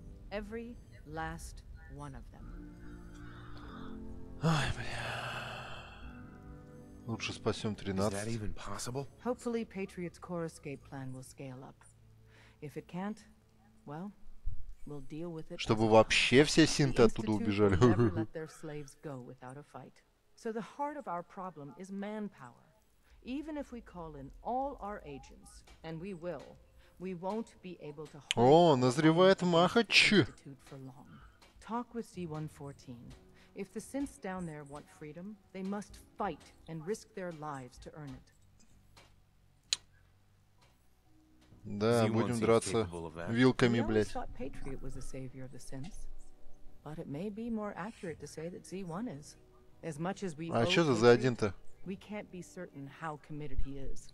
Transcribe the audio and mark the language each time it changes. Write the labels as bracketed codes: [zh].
[en] Every last one of them. [ru] Ай, бля. Лучше спасем 13. [en] Hopefully Patriot's core escape plan will scale up. If it can't, well, we'll deal with it. [ru] Чтобы вообще все синты оттуда убежали. [en] Let their slaves go without a fight. So the heart of our problem is manpower. Even if we call in all our agents, and we will, we won't be able to hold. [ru] О, назревает махач. [en] Talk with C-114. If the synths down there want freedom, they must fight and risk their lives to earn it. [ru] Да, будем драться вилками, блядь. [en] I thought Patriot was a savior of the synths, but it may be more accurate to say that Z1 is. As much as we both. [ru] А что за Z1-то? [en] We can't be certain how committed he is.